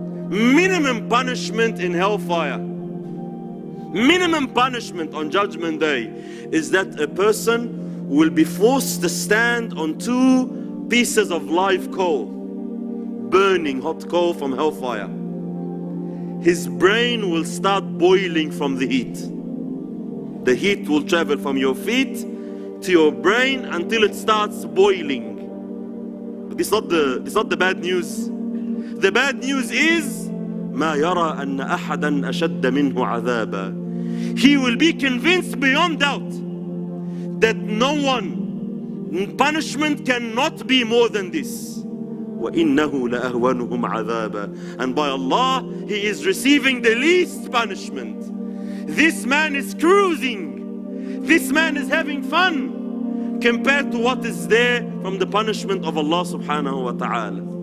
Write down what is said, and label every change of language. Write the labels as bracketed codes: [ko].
[en] Minimum punishment in hellfire, minimum punishment on Judgment Day, is that a person will be forced to stand on two pieces of live coal, burning hot coal from hellfire. His brain will start boiling from the heat. The heat will travel from your feet to your brain until it starts boiling. But it's not the bad news. The bad news is, [ar] مَا يَرَى أَنَّ أَحَدًا أَشَدَّ مِنْهُ عَذَابًا. [en] He will be convinced beyond doubt that no one, punishment cannot be more than this. [ar] وَإِنَّهُ لَأَهْوَنُهُمْ عَذَابًا. [en] And by Allah, he is receiving the least punishment. This man is cruising. This man is having fun compared to what is there from the punishment of Allah subhanahu wa ta'ala.